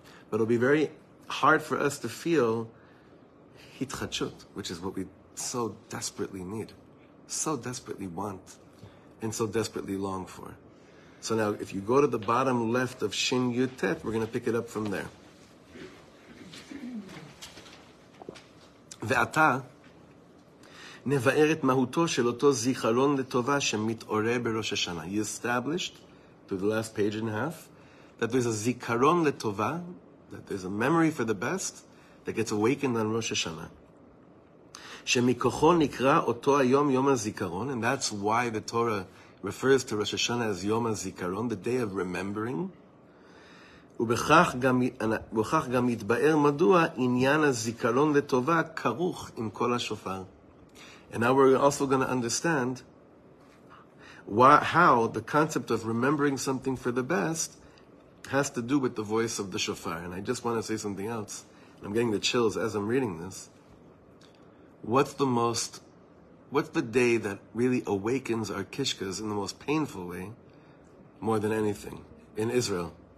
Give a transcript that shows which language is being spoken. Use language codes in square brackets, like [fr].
[en] But it'll be very hard for us to feel hitchatshut, which is what we so desperately need, so desperately want, and so desperately long for. So now, if you go to the bottom left of Shin Yutet, we're going to pick it up from there. [he] ואתה נבאר את מהותו של אותו זיכרון לטובה שמתעורר בראש השנה. [en] He established, through the last page and a half, that there's a [he] זיכרון לטובה, [en] that there's a memory for the best, that gets awakened on Rosh Hashanah. [he] שמכוחו נקרא אותו היום יום הזיכרון, [en] and that's why the Torah refers to Rosh Hashanah as [he] יום הזיכרון, [en] the day of remembering. [he] ובכך גם יתבאר מדוע עניין הזיכרון לטובה כרוך עם כל השופר. [en] And now we're also going to understand how the concept of remembering something for the best has to do with the voice of the shofar. And I just want to say something else. I'm getting the chills as I'm reading this. What's the day that really awakens our kishkas in the most painful way more than anything in Israel?